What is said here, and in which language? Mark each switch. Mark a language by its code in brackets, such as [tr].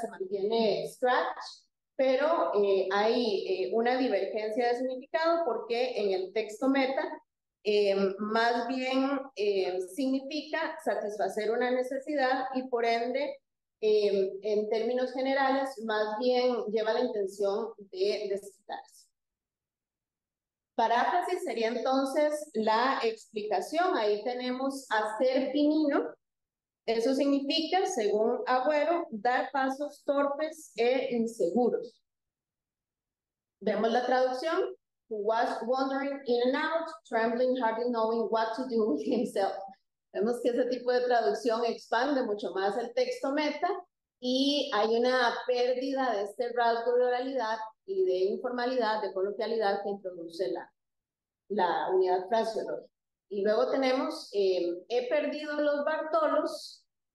[es] Se mantiene scratch. Pero hay una divergencia de significado porque en el texto meta más bien significa satisfacer una necesidad y por ende, en términos generales, más bien lleva la intención de desquitarse. Paráfrasis sería entonces la explicación. Ahí tenemos hacer pinino. Eso significa, según Agüero, dar pasos torpes e inseguros. Vemos la traducción. [en] He was wandering in and out, trembling, hardly knowing what to do with himself. [es] Vemos que ese tipo de traducción expande mucho más el texto meta y hay una pérdida de este rasgo de oralidad y de informalidad, de coloquialidad que introduce la unidad fraseológica. Y luego tenemos, he perdido los bartolos.